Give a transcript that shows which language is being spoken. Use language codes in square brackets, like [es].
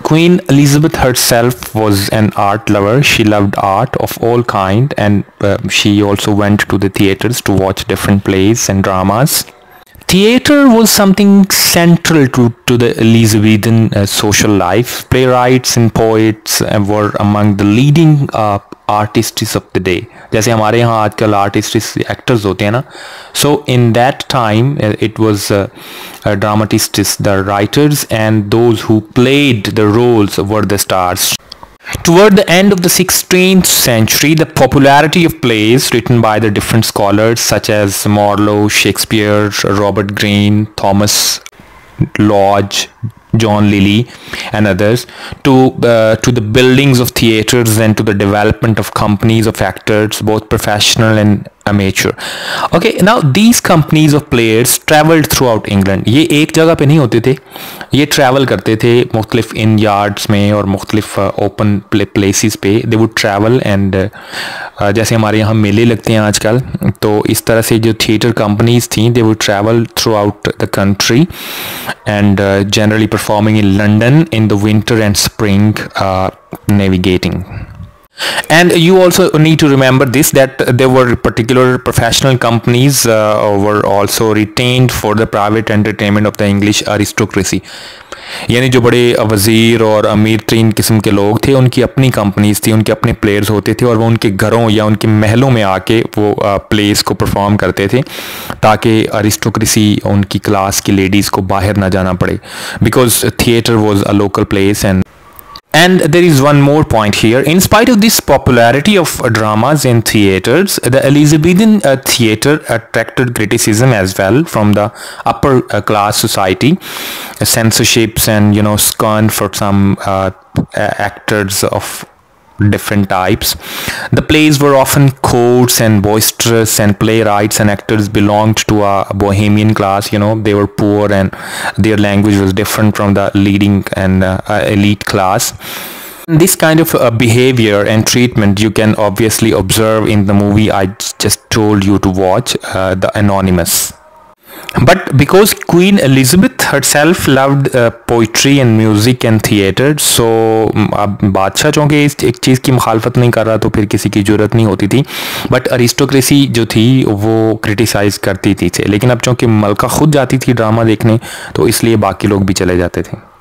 [en] Queen Elizabeth herself was an art lover, she loved art of all kind, and she also went to the theatres to watch different plays and dramas. Theatre was something central to the Elizabethan social life. Playwrights and poets were among the leading artists of the day. [ur] جیسے ہمارے یہاں آج کل artists actors ہوتے ہیں نا, [en] So in that time it was dramatists the writers and those who played the roles were the stars. Toward the end of the 16th century, the popularity of plays written by the different scholars such as Marlowe, Shakespeare, Robert Greene, Thomas Lodge, John Lilly and others, to the buildings of theaters and to the development of companies of actors, both professional and amateur. Okay, now these companies of players traveled throughout England. [ur] یہ ایک جگہ پہ نہیں ہوتے تھے, یہ travel کرتے تھے مختلف ان یارڈس میں اور مختلف open places پہ. [en] They would travel and [ur] جیسے ہمارے یہاں میلے لگتے ہیں آج کل, تو اس طرح سے جو تھیٹر کمپنیز تھیں [en] They would travel throughout the country and generally performing in London in the winter and spring navigating. And you also need to remember this, that there were particular professional companies were also retained for the private entertainment of the English aristocracy. [ur] یعنی جو بڑے وزیر اور امیر ترین قسم کے لوگ تھے ان کی اپنی کمپنیز تھی, ان کے اپنے پلیئرز ہوتے تھے, اور وہ ان کے گھروں یا ان کے محلوں میں آ کے وہ پلیز کو پرفارم کرتے تھے تاکہ اریسٹوکریسی ان کی کلاس کی لیڈیز کو باہر نہ جانا پڑے, [en] Because theatre was a local place. And there is one more point here. In spite of this popularity of dramas in theaters, the Elizabethan theater attracted criticism as well from the upper class society, censorships and, you know, scorn for some actors of different types. The plays were often coarse and boisterous, and playwrights and actors belonged to a bohemian class, you know, they were poor and their language was different from the leading and elite class. This kind of behavior and treatment you can obviously observe in the movie I just told you to watch, The Anonymous. But because Queen Elizabeth herself loved poetry and music and theater, so [ur] اب بادشاہ چونکہ اس ایک چیز کی مخالفت نہیں کر رہا تو پھر کسی کی ضرورت نہیں ہوتی تھی, بٹ اریسٹوکریسی جو تھی وہ کرٹیسائز کرتی تھی اسے. لیکن اب چونکہ ملکہ خود جاتی تھی ڈرامہ دیکھنے تو اس لیے باقی لوگ بھی چلے جاتے تھے.